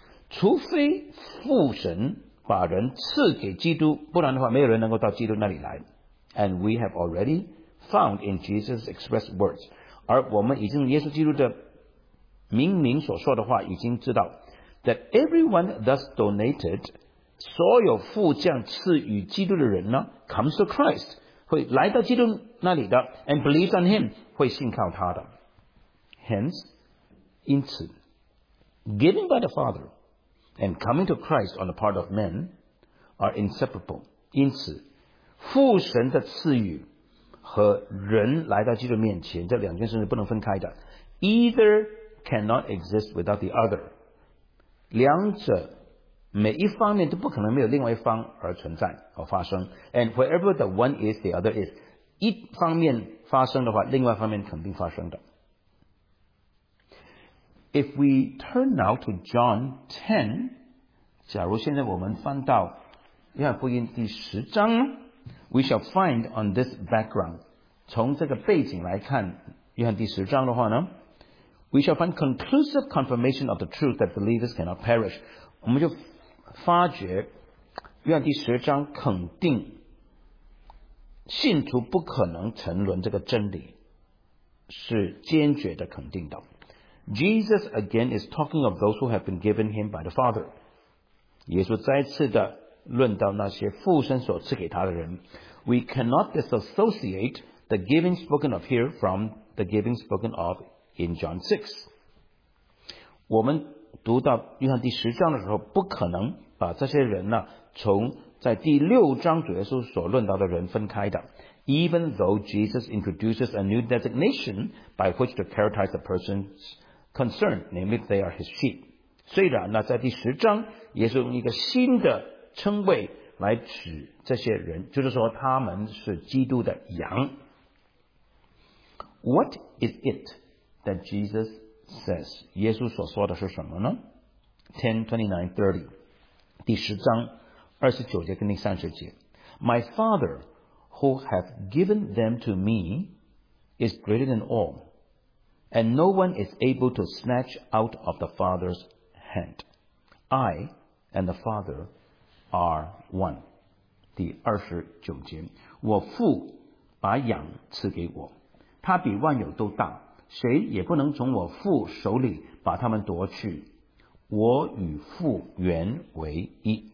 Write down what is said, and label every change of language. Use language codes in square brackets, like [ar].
[zh] 除非父神把人赐给基督，不然的话没有人能够到基督那里来。 [en] And we have already found in Jesus' express words， [zh] 而我们已经耶稣基督的明明所说的话已经知道 [en] that everyone thus donated， [zh] 所有父将赐予基督的人呢 [en] comes to Christ， [zh] 会来到基督那里的 [en] and believes on him， [zh] 会信靠他的。 [en] Hence， [zh] 因此 [en] giving by the Father and coming to Christ on the part of men are inseparable， [zh] 因此父神的赐予和人来到基督面前这两件事是不能分开的。 [en] Either cannot exist without the other， [zh] 两者每一方面都不可能没有另外一方而存在和发生。 [en] And wherever the one is the other is， [zh] 一方面发生的话另外一方面肯定发生的。 [en] If we turn now to John 10， [zh] 假如现在我们翻到约翰福音第十章， [en] We shall find on this background， [zh] 从这个背景来看，约翰第十章的话呢， [en] We shall find conclusive confirmation of the truth that believers cannot perish。 [zh] 我们就发觉约翰第十章肯定信徒不可能沉沦这个真理，是坚决的肯定的。 [en] Jesus again is talking of those who have been given him by the Father。 [zh] 耶稣再次的论到那些父神所赐给他的人。 [en] We cannot disassociate the giving spoken of here from the giving spoken of in John 6。 [zh] 我们读到约翰第十章的时候，不可能把这些人呢从在第六章主耶稣所论到的人分开的。 [en] Even though Jesus introduces a new designation by which to characterize the person's concern， namely they are his sheep。 [zh] 虽然呢在第十章耶稣用一个新的称谓来指这些人，就是说他们是基督的羊。 [en] What is it that Jesus says？ [zh] 耶稣所说的是什么呢？ 10:29-30， 第十章二十九节跟第三十节。 [en] My Father who hath given them to me is greater than all， and no one is able to snatch out of the Father's hand。 I and the Father are one。 [zh] 第二十九节，我父把羊赐给我，他比万有都大，谁也不能从我父手里把他们夺去，我与父原为一。